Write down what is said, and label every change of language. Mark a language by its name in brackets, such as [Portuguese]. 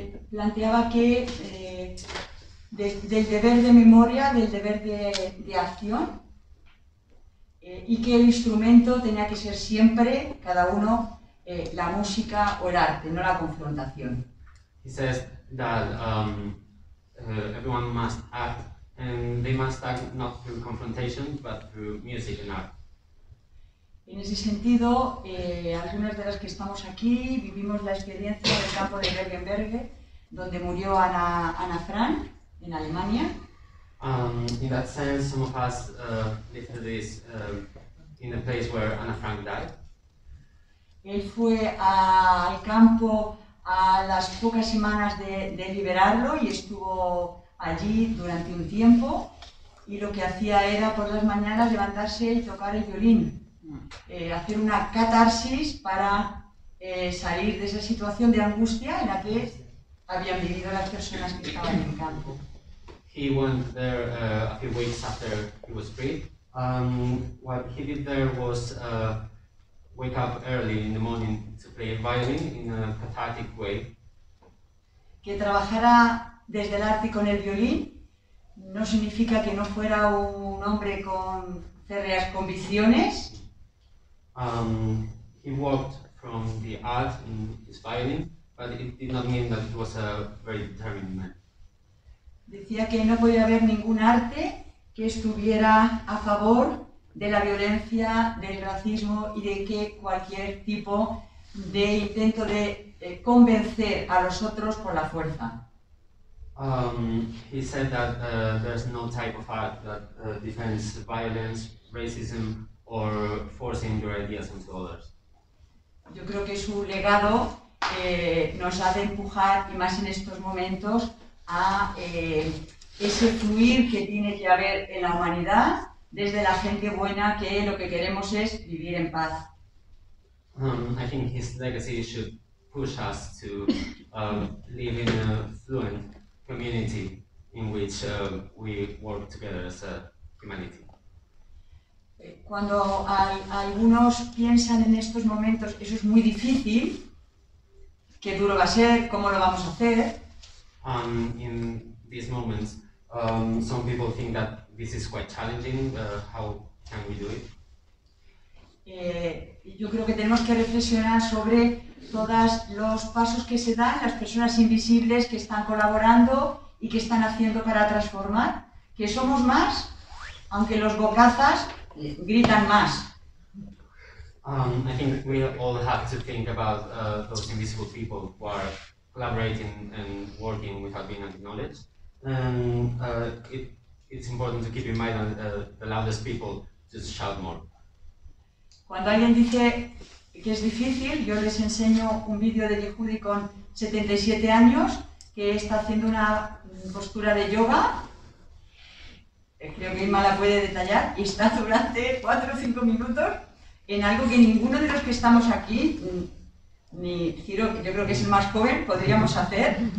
[Spanish] Planteaba que del deber de memoria, del deber de acción, y que el instrumento tenía que ser siempre, cada uno, la música o el arte, no la confrontación. [English] He says that everyone must act, and they must act not through confrontation, but through music and art. [Spanish] En ese sentido, algunas de las que estamos aquí vivimos la experiencia del campo de Bergen-Belsen, donde murió Ana Frank, en Alemania. [English] In that sense, some of us lived this in the place where Anna Frank died. [Spanish] Él fue al campo a las pocas semanas de liberarlo y estuvo allí durante un tiempo. Y lo que hacía era por las mañanas levantarse y tocar el violín, hacer una catarsis para salir de esa situación de angustia en la que habían vivido las personas que estaban en el campo. [English] He went there a few weeks after he was freed. What he did there was wake up early in the morning to play violin in a cathartic way. [Spanish] Que trabajara desde el arte con el violín no significa que no fuera un hombre con férreas convicciones. [English] he worked from the art in his violin, but it did not mean that he was a very determined man. [Spanish] Decía que no podía haber ningún arte que estuviera a favor de la violencia, del racismo y de que cualquier tipo de intento de convencer a los otros por la fuerza. [English] He said that there's no type of art that defends violence, racism, or forcing your ideas onto others. [Spanish] Yo creo que su legado nos hace empujar, y más en estos momentos, a ese fluir que tiene que haber en la humanidad desde la gente buena, que lo que queremos es vivir en paz. [English] I think his legacy should push us to live in a fluent community in which we work together as a humanity. [Spanish] Cuando algunos piensan en estos momentos, eso es muy difícil, qué duro va a ser, cómo lo vamos a hacer. [English] In these moments, some people think that this is quite challenging. How can we do it? [Spanish] Yo creo que tenemos que reflexionar sobre todos los pasos que se dan, las personas invisibles que están colaborando y que están haciendo para transformar, que somos más, aunque los bocazas gritan más. [English] I think we all have to think about those invisible people who are collaborating and working without being acknowledged. It's important to keep in mind that the loudest people just shout more. [Spanish] Cuando alguien dice que es difícil, yo les enseño un vídeo de Yehudi con 77 años que está haciendo una postura de yoga. Creo que Irma la puede detallar, y está durante 4 o 5 minutos en algo que ninguno de los que estamos aquí, ni Ciro, que yo creo que es el más joven, podríamos hacer.